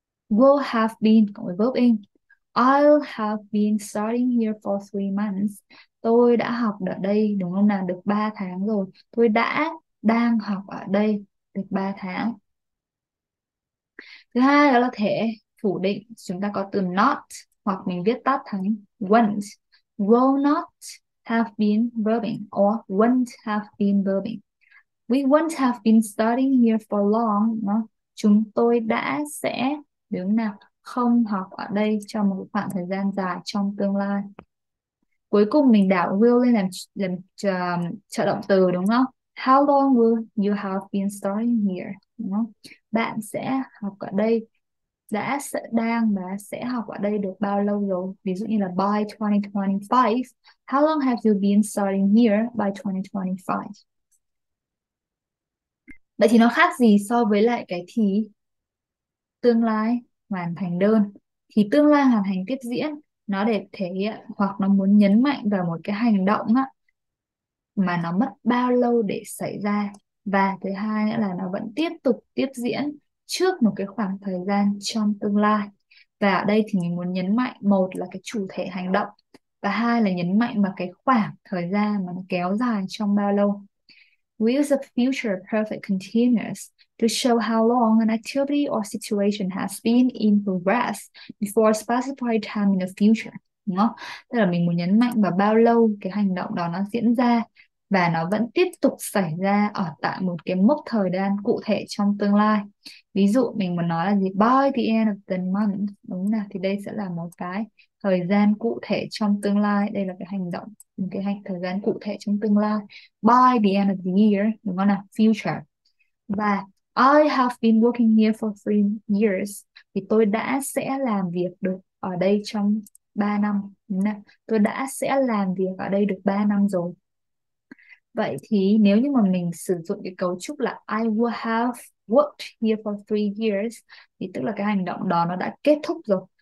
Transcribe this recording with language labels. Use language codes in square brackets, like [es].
[en] Will have been [vi] cộng với [en] verb in. I'll have been studying here for 3 months. [vi] Tôi đã học ở đây, đúng không nào, được 3 tháng rồi. Tôi đã đang học ở đây được 3 tháng. Thứ hai đó là thể phủ định. Chúng ta có từ not hoặc mình viết tắt thành won't. [en] Will not have been verbing or won't have been verbing. We won't have been studying here for long. [vi] Đó. Chúng tôi đã sẽ đứng nào không học ở đây trong một khoảng thời gian dài trong tương lai. Cuối cùng mình đảo will lên làm trợ động từ, đúng không? [en] How long will you have been studying here? [vi] Đúng không? Bạn sẽ học ở đây, đã sẽ đang và sẽ học ở đây được bao lâu rồi? Ví dụ như là by 2025. [en] How long have you been studying here by 2025? [vi] Vậy thì nó khác gì so với lại cái thì tương lai hoàn thành đơn? Thì tương lai hoàn thành tiếp diễn nó để thể hiện hoặc nó muốn nhấn mạnh vào một cái hành động á mà nó mất bao lâu để xảy ra, và thứ hai nữa là nó vẫn tiếp tục tiếp diễn trước một cái khoảng thời gian trong tương lai. Và ở đây thì mình muốn nhấn mạnh một là cái chủ thể hành động và hai là nhấn mạnh vào cái khoảng thời gian mà nó kéo dài trong bao lâu. [en] We use the future perfect continuous to show how long an activity or situation has been in progress before a specified time in the future. [vi] Đúng không? Tức là mình muốn nhấn mạnh vào bao lâu cái hành động đó nó diễn ra và nó vẫn tiếp tục xảy ra ở tại một cái mốc thời gian cụ thể trong tương lai. Ví dụ mình muốn nói là gì? [en] By the end of the month. [vi] Đúng nào? Thì đây sẽ là một cái thời gian cụ thể trong tương lai. Đây là cái hành động, một cái hành thời gian cụ thể trong tương lai. [en] By the end of the year. [vi] Đúng không nào? [en] Future. Và I have been working here for 3 years. [vi] Thì tôi đã sẽ làm việc được ở đây trong 3 năm. Đúng nào? Tôi đã sẽ làm việc ở đây được 3 năm rồi. Vậy thì nếu như mà mình sử dụng cái cấu trúc là [en] I will have worked here for 3 years [vi] thì tức là cái hành động đó nó đã kết thúc rồi.